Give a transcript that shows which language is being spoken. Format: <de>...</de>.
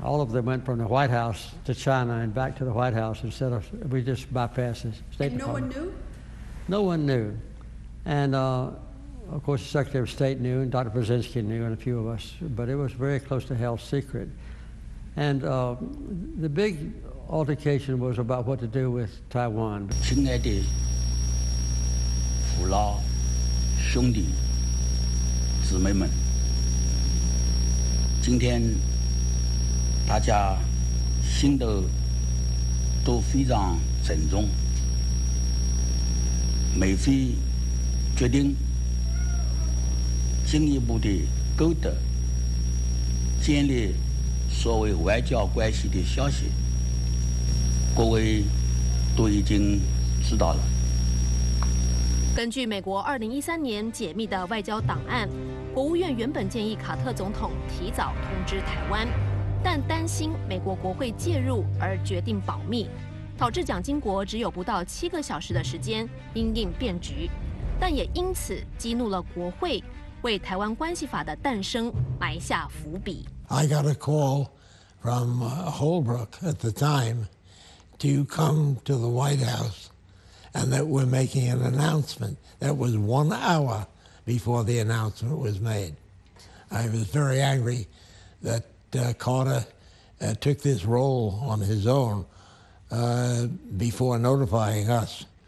<en>All of them went from the White House to China and back to the White House instead of, we just bypassed the State Department. And no one knew? No one knew. And of course, the Secretary of State knew, and Dr. Brzezinski knew, and a few of us, but it was very close to hell secret. And the big,altercation was about what to do with Taiwan.</en> <zh>亲爱的父老兄弟姊妹们，今天大家心都非常沉重，美菲决定进一步的勾搭，建立所谓外交关系的消息，各位都已经知道了。根据美国2013年解密的外交档案，国务院原本建议卡特总统提早通知台湾，但担心美国国会介入而决定保密，导致蒋经国只有不到7个小时的时间因应变局，但也因此激怒了国会，为台湾关系法的诞生埋下伏笔。</zh> <en>I got a call from Holbrooke at the time, do you come to the White House, and that we're making an announcement. That was 1 hour before the announcement was made. I was very angry that Carter took this role on his own before notifying us.</en>